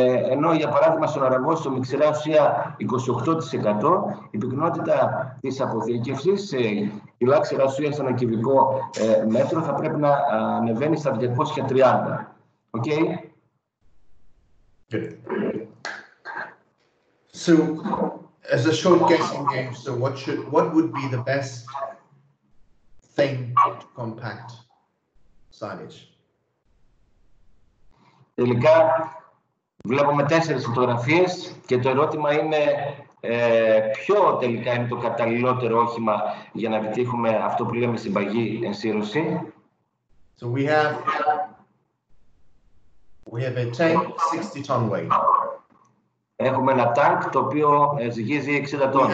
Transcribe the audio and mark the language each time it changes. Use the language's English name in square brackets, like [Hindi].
[Greek] Ενώ για παράδειγμα στον αραγόστο με ξηρά ουσία 28%, η πυκνότητα της αποθήκευσης σε κιλά ξηρά ουσία σε ένα κυβικό μέτρο θα πρέπει να ανεβαίνει στα 230. Οκ. Okay. [English] So, as a short guessing game, so what would be the best thing to compact silage? [Greek] Τελικά, βλέπουμε 4 φωτογραφίες και το ερώτημα είναι ποιο τελικά είναι το καταλληλότερο όχημα για να επιτύχουμε αυτό που λέμε συμπαγή ενσύρωση. [English] So we have a tank 60 ton weight. [Greek] Έχουμε ένα tank το οποίο ζυγίζει 60 τόνους.